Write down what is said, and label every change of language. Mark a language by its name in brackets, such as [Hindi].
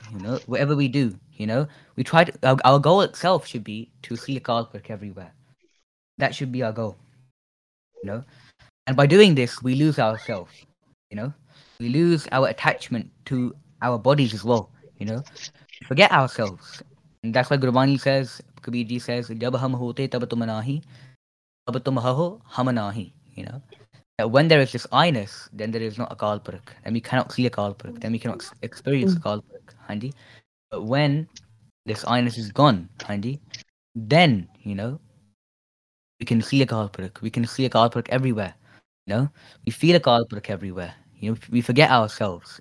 [English] You know, whatever we do, you know, we try to. Our goal itself should be to see Akal Purakh everywhere. That should be our goal. You know, and by doing this, we lose ourselves. You know, we lose our attachment to our bodies as well. You know. Forget ourselves. And that's why Gurbani says, Kabirji says, [Punjabi] ਜਬ ਹਮ ਹੋਤੇ ਤਬ ਤੁਮ ਨਾਹੀ, ਤਬ ਤੁਮ ਹਹੁ ਹਮ ਨਾਹੀ. [English] You know, when there is this I-ness, then there is not a Kalpurukh, then we cannot see a Kalpurukh, then we cannot experience a Kalpurukh, handy. But when this I-ness is gone, handy, then, you know, we can see a Kalpurukh, we can see a Kalpurukh everywhere, you know, we feel a Kalpurukh everywhere, you know, we forget ourselves.